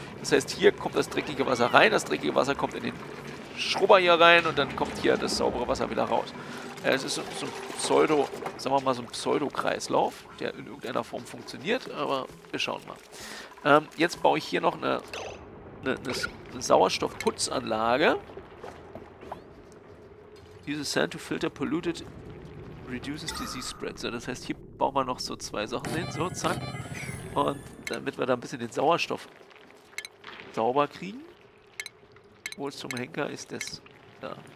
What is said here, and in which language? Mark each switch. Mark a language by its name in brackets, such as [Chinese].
[German] Das heißt, hier kommt das dreckige Wasser rein. Das dreckige Wasser kommt in den Schrubber hier rein und dann kommt hier das saubere Wasser wieder raus. Es ist so ein Pseudo, sagen wir mal, so ein Pseudo-Kreislauf, der in irgendeiner Form funktioniert, aber wir schauen mal. Jetzt baue ich hier noch eine Sauerstoffputzanlage. [English] Use sand to filter polluted reduces disease spread. [German] So, das heißt, hier bauen wir noch so zwei Sachen hin. So, zack. Und damit wir da ein bisschen den Sauerstoff sauber kriegen. Wo es zum Henker ist, das da.